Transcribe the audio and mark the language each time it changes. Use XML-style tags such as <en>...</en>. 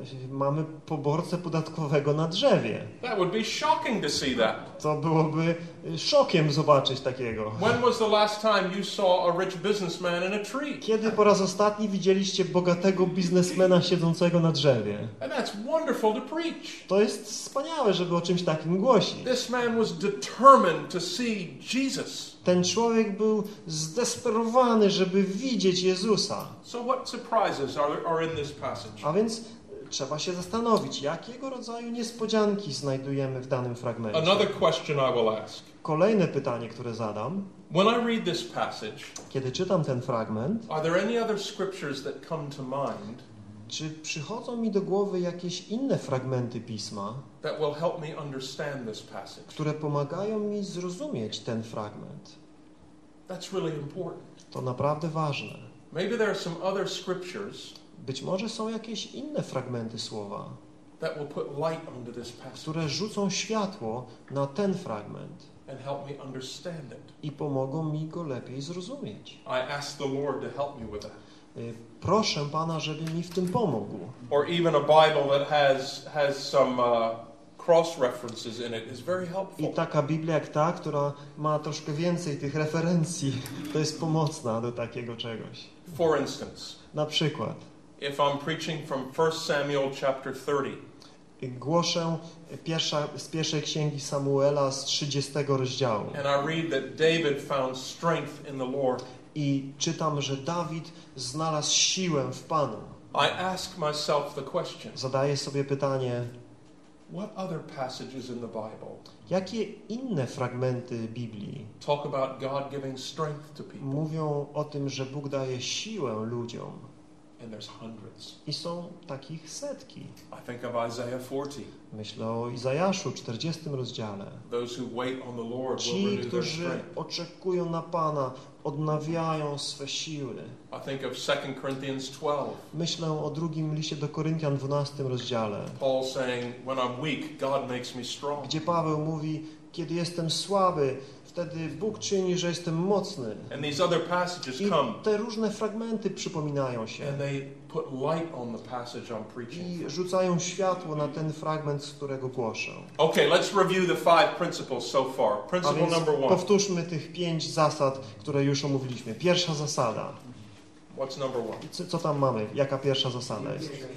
<pl>Mamy poborcę podatkowego na drzewie.</pl> <en>That would be shocking to see that.</en> <pl>To byłoby szokiem zobaczyć takiego.</pl> <en>When was the last time you saw a rich businessman in a tree?</en> <pl>Kiedy po raz ostatni widzieliście bogatego biznesmena siedzącego na drzewie?</pl> <en>And that's wonderful to preach.</en> <pl>To jest wspaniałe, żeby o czymś takim głosić.</pl> <en>This man was determined to see Jesus.</en> <pl>Ten człowiek był zdesperowany, żeby widzieć Jezusa.</pl> <en>So what surprises are in this passage?</en> <pl>A więc trzeba się zastanowić, jakiego rodzaju niespodzianki znajdujemy w danym fragmencie.</pl> <en>Another question I will ask.</en> <pl>Kolejne pytanie, które zadam.</pl> <en>When I read this passage,</en> <pl>kiedy czytam ten fragment,</pl> <en>are there any other scriptures that come to mind?</en> <pl>Czy przychodzą mi do głowy jakieś inne fragmenty Pisma,</pl> <en>that will help me understand this passage,</en> <pl>które pomagają mi zrozumieć ten fragment?</pl> <en>That's really important.</en> <pl>To naprawdę ważne.</pl> <en>Maybe there are some other scriptures,</en> <pl>być może są jakieś inne fragmenty słowa,</pl> <en>that will put light onto this passage,</en> <pl>które rzucą światło na ten fragment</pl> <en>and help me understand it.</en> <pl>I pomogą mi go lepiej zrozumieć.</pl> <en>I ask the Lord to help me with that.</en> <pl>Proszę Pana, żeby mi w tym pomógł.</pl> <en>Or even a Bible that has some cross references in it is very helpful.</en> <pl>I taka Biblia jak ta, która ma troszkę więcej tych referencji, to jest pomocna do takiego czegoś.</pl> <en>For instance.</en> <pl>Na przykład.</pl> <en>If I'm preaching from 1 Samuel chapter 30.</en> <pl>Głoszę z pierwszej księgi Samuela z 30 rozdziału.</pl> <en>And I read that David found strength in the Lord.</en> <pl>I czytam, że Dawid znalazł siłę w Panu.</pl> <en>I ask myself the question.</en> <pl>Zadaję sobie pytanie.</pl> <en>What other passages in the Bible?</en> <pl>Jakie inne fragmenty Biblii?</pl> <en>Talk about God giving strength to people.</en> <pl>Mówią o tym, że Bóg daje siłę ludziom.</pl> <en>And there's hundreds.</en> <pl>I są takich setki.</pl> <en>I think of Isaiah 40.</en> <pl>Myślę o Izajaszu 40 rozdziale.</pl> <en>Those who wait on the Lord will renew their strength.</en> <pl>Ci, którzy oczekują na Pana, odnawiają swe siły.</pl> <en>I think of 2 Corinthians 12.</en> <pl>Myślę o drugim liście do Koryntian 12 rozdziale.</pl> <en>Paul saying, when I'm weak, God makes me strong.</en> <pl>Gdzie Paweł mówi, kiedy jestem słaby, wtedy Bóg czyni, że jestem mocny.</pl> <en>And these other passages</en> <pl>i</pl> <en>come.</en> <pl>Te różne fragmenty przypominają się.</pl> <en>And they put light on the passage I'm preaching.</en> <pl>I rzucają światło na ten fragment, z którego głoszę.</pl> <en>Okay, let's review the five principles so far. Principle number one.</en> <pl>Powtórzmy tych pięć zasad, które już omówiliśmy. Pierwsza zasada.</pl> <en>What's number one?</en> <pl>Co tam mamy? Jaka pierwsza zasada jest?</pl>